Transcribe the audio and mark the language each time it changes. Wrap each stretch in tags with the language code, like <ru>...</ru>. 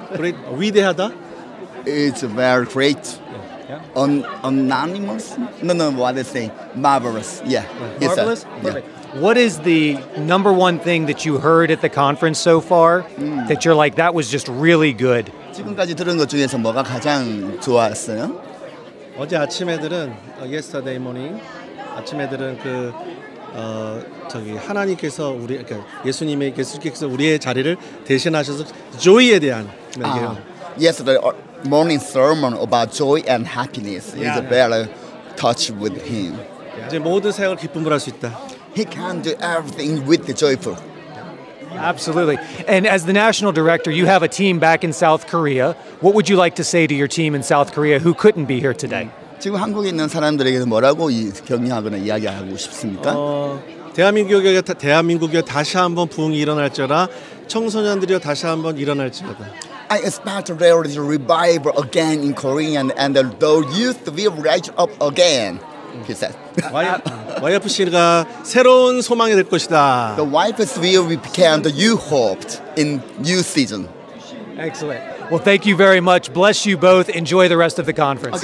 <en>Great. We had that. It's very great. Yeah. Unanimous? No, what I say? Marvelous. Yeah. Marvelous? Yes, perfect. Yeah. What is the number one thing that you heard at the conference so far that you're like, that was just really good?</en> <ko>지금까지 들은 것 중에서 뭐가 가장 좋았어요? 어제 아침에들은,</ko> <en>yesterday morning,</en> <ko>아침에들은 그, 저기 하나님께서 우리, 그러니까 예수님께서 우리의 자리를 대신하셔서 joy에 대한</ko> <en>yesterday morning sermon about joy and happiness is very touch with him.</en> <ko>이제 모든 생활 기쁨으로 할 수 있다.</ko> <en>He can do everything with the joyful. Absolutely. And as the national director, you have a team back in South Korea. What would you like to say to your team in South Korea who couldn't be here today?</en> <ko>지금 한국에 있는 사람들에게 뭐라고 격려하거나 이야기하고 싶습니까? 대한민국에 다시 한번 부흥이 일어날지라 청소년들이 다시 한번 일어날지라.</ko> <en>I expect there is a revival again in Korean, and the youth will rise up again, he said.</en> <ko>YFC가 새로운 소망이 될 것이다.</ko> <en>The YFC will become the new hope in new season. Excellent. Well, thank you very much. Bless you both. Enjoy the rest of the conference.</en>